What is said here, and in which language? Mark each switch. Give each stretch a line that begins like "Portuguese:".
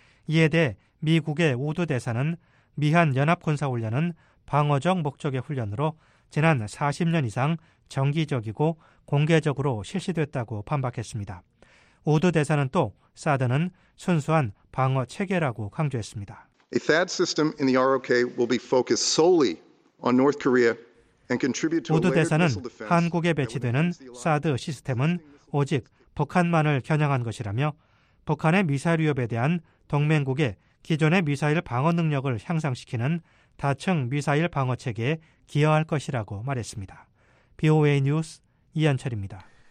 Korean: 이에 대해 미국의 우드 대사는 미한 연합군사훈련은 방어적 목적의 훈련으로 지난 40년 이상 정기적이고 공개적으로 실시됐다고 반박했습니다. 우드 대사는 또 사드는 순수한 방어 체계라고 강조했습니다.
English: A THAAD system in the ROK will be focused solely on North Korea and contribute to a layered missile defense.
Korean: 우드 대사는 한국에 배치되는 사드 시스템은 오직 북한만을 겨냥한 것이라며 북한의 미사일 위협에 대한 동맹국의 기존의 미사일 방어 능력을 향상시키는 다층 미사일 방어 체계에 기여할 것이라고 말했습니다. BOA 뉴스 이한철입니다.